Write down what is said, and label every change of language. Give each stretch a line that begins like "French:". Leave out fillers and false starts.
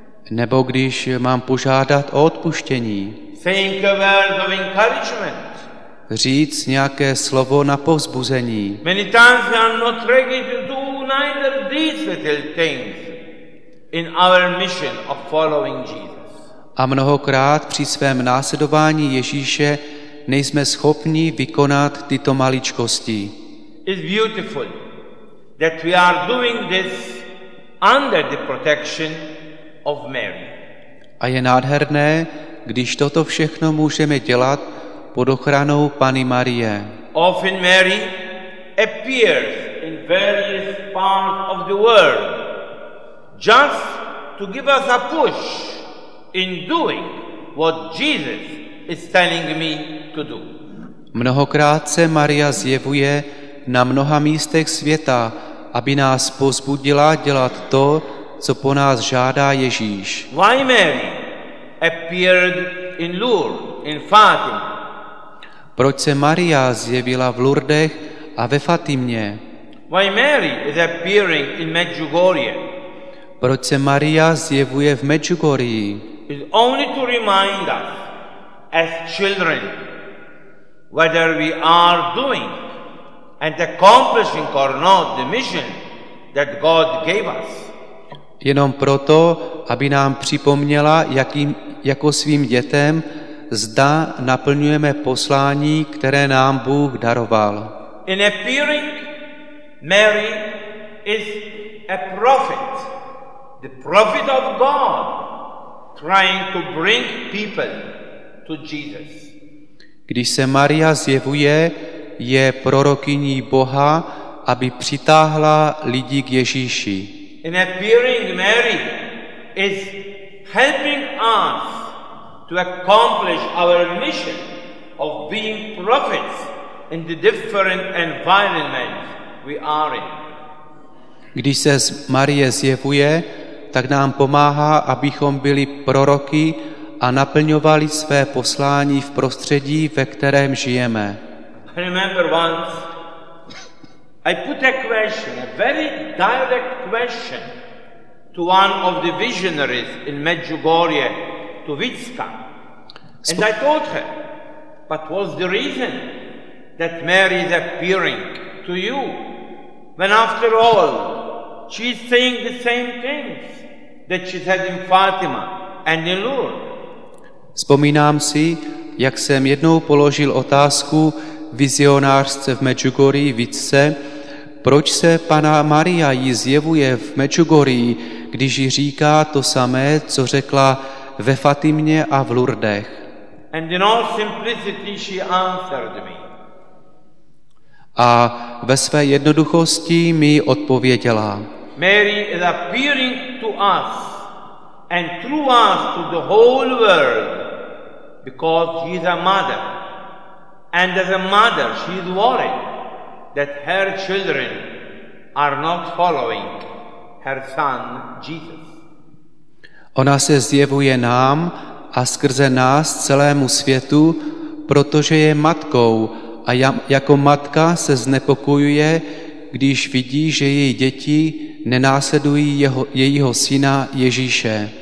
Czech: Nebo když mám požádat o odpuštění.
English: Think a word of encouragement.
Czech: Říct nějaké slovo na povzbuzení.
English: Many times we are not ready to do neither these little things in our mission of following Jesus.
Czech: A mnohokrát při svém následování Ježíše nejsme schopni vykonat tyto maličkosti.
English: It's beautiful that we are doing this under the protection of Mary.
Czech: A je nádherné, když toto všechno můžeme dělat pod ochranou Panny Marie.
English: Often Mary appears in various parts of the world just to give us a push in doing what Jesus is telling me to do.
Czech: Mnohokrát se Maria zjevuje na mnoha místech světa, aby nás povzbudila dělat to, co po nás žádá Ježíš.
English: Why Mary appeared in Lourdes, in Fatima?
Czech: Proč se Maria zjevila v Lourdech a ve Fatimě?
English: Why Mary is appearing in Medjugorje?
Czech: Proč se Maria zjevuje v Medjugorji?
English: It's only to remind us as children whether we are doing and accomplishing or not the mission that God gave us.
Czech: Jenom proto, aby nám připomněla, jako svým dětem, zda naplňujeme poslání, které nám Bůh daroval.
English: In appearing, Mary is a prophet, the prophet of God, trying to bring people to Jesus.
Czech: Když se Maria zjevuje, je prorokyní Boha, aby přitáhla lidi k Ježíši.
English: In appearing, Mary is helping us to accomplish our mission of being prophets in the different environments we are in.
Czech: Když se Marie zjevuje, tak nám pomáhá, abychom byli proroky a naplňovali své poslání v prostředí, ve kterém žijeme.
English: I remember once I put a question, a very direct question to one of the visionaries in Medjugorje, to Vitska. And I told her, but what's the reason that Mary is appearing to you when after all she's saying the same things that she said in Fatima and in Lourdes?
Czech: Vzpomínám si, jak jsem jednou položil otázku vizionářce v Medjugorji, Vitce, proč se Panna Maria jí zjevuje v Medjugorji, když jí říká to samé, co řekla ve Fatimě a v Lourdech.
English: And in all simplicity she answered me.
Czech: A ve své jednoduchosti mi odpověděla.
English: Mary is appearing to us and through us to the whole world because she is a mother. And as a mother she is worried that her children are not following her son Jesus.
Czech: Ona se zjevuje nám a skrze nás celému světu, protože je matkou a jako matka se znepokojuje, když vidí, že její děti nenásledují jejího syna Ježíše.